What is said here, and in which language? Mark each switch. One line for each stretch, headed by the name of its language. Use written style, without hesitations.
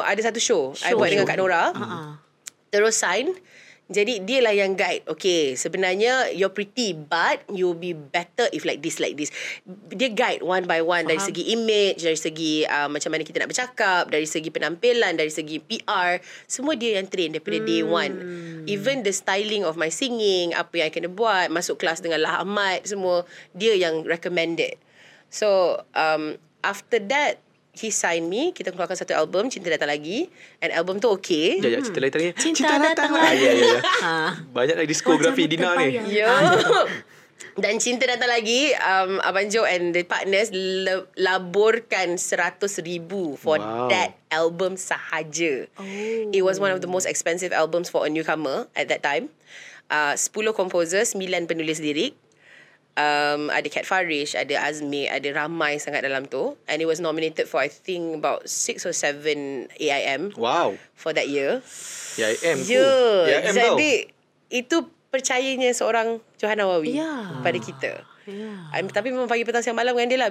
Malay: Ada satu show. I buat dengan Kak Nora. Terus sign. Jadi, dia lah yang guide.
English: Okay, sebenarnya you're pretty but you'll be better if like this, like this. Dia guide one by one.
Malay: Faham. Dari segi image, dari segi macam mana kita nak bercakap, dari segi penampilan, dari segi PR. Semua dia yang train daripada
English: day one. Even the styling of my singing,
Malay: apa yang I kena buat, masuk kelas dengan Lah Ahmad, semua. Dia yang recommended.
English: So, after that, he signed me.
Malay: Kita keluarkan satu album, Cinta Datang Lagi. And album tu okay. Jangan cinta lagi. Cinta Datang Lagi. Banyak lagi diskografi Dina ni. Yo. Dan Cinta Datang Lagi, Abang Joe
English: and the partners
Malay: laburkan 100,000
English: for that album
Malay: sahaja.
English: It was one of the most expensive albums for a newcomer at that time.
Malay: 10 composers, 9 penulis lirik. Ada Kat Farish, ada Azmi, ada ramai sangat dalam tu.
English: And it was nominated for I think about 6 or 7 AIM. Wow. For that year. AIM. Yeah.
Malay: Jadi itu percayanya seorang Johanna Wawi pada kita. Tapi memang pagi petang siang malam dengan dia lah.